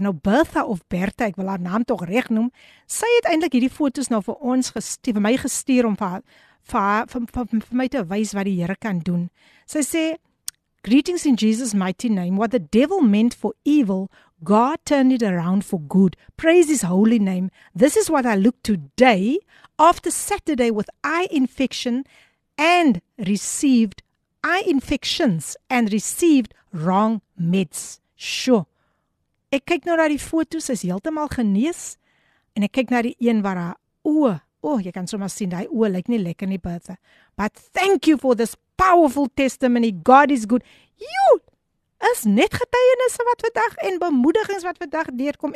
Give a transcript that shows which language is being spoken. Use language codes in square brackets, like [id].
[af] Nou, Bertha of Bertha, ek wil haar naam toch reg noem, sy het eintlik hierdie foto's nou vir ons gestuur, vir my gestuur om vir my te wys wat die Here kan doen. Sy sê, [en] greetings in Jesus' mighty name, what the devil meant for evil, God turned it around for good. Praise his holy name. This is what I look today, after Saturday with eye infection and received eye infections and received wrong meds. Sure. [af] Ek kyk nou na die foto's, is heeltemal genees, en ek kyk na die een waar haar jy kan sommer sien, die oe lyk nie lekker nie, Bertha. [en] But thank you for this powerful testimony. God is good. [af] You is net getuienisse wat vandag en bemoedigings wat vandag deurkom.